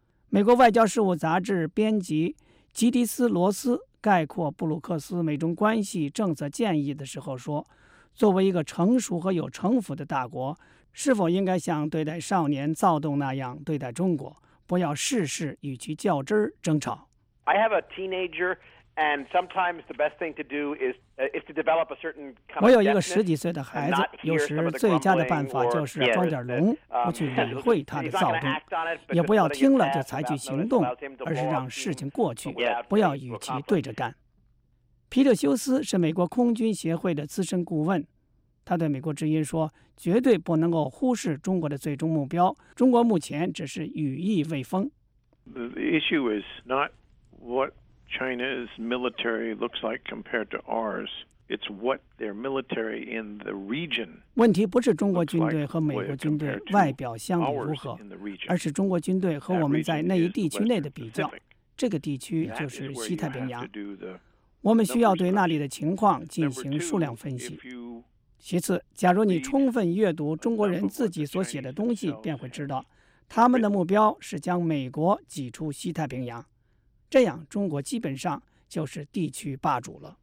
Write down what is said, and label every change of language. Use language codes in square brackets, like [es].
[zh] 美国外交事务杂志编辑吉迪斯·罗斯概括布鲁克斯美中关系政策建议的时候说，作为一个成熟和有城府的大国，是否应该像对待少年躁动那样对待中国，不要事事与其较真争吵。 [en] I have a teenager, and sometimes the best thing to do is to develop a certain kind of deafness. [zh] 我有一个十几岁的孩子，有时最佳的办法就是装点聋，不去理会他的躁动，也不要听了就采取行动，而是让事情过去，不要与其对着干。皮特·休斯是美国空军协会的资深顾问。他对美国之音说，绝对不能够忽视中国的最终目标，中国目前只是羽翼未丰。 [en] The issue is not what China's military looks like compared to ours. It's what their military in the region. [zh] 问题不是中国军队和美国军队外表相比如何，而是中国军队和我们在那一地区内的比较。这个地区就是西太平洋。我们需要对那里的情况进行数量分析。其次，假如你充分阅读中国人自己所写的东西，便会知道他们的目标是将美国挤出西太平洋，这样中国基本上就是地区霸主了。